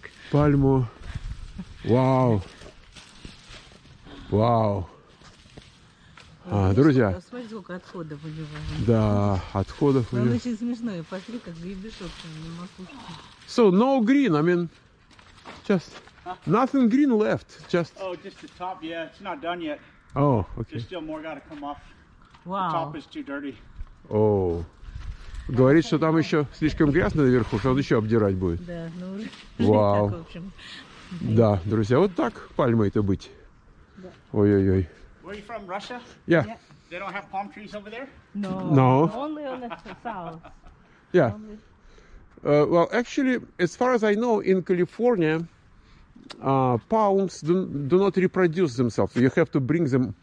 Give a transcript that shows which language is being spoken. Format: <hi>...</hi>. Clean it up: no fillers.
<ru>Пальму постриг. Пальму. Вау. Вау. А, друзья. Смотри, сколько отходов выливаем. Да, отходов выливаем. Он очень смешной. Посмотри, как гребешок там на макушке.</ru> <en>So, no green. I mean, just... Nothing green left, just... Oh, just the top, yeah, it's not done yet. Oh, okay. There's still more gotta come off. Wow. The top is too dirty. Oh.</en> <ru>Говорит, что там еще слишком грязно наверху, что он еще обдирать будет. Да, ну, жить так, в общем. Да, друзья, вот так пальмой-то быть. Да. Ой-ой-ой.</ru> <en>Where are you from, Russia? Yeah. They don't have palm trees over there? No. No. Only on the south. Yeah. Well, actually, as far as I know, in California... palms do not reproduce themselves. You have to bring them</en>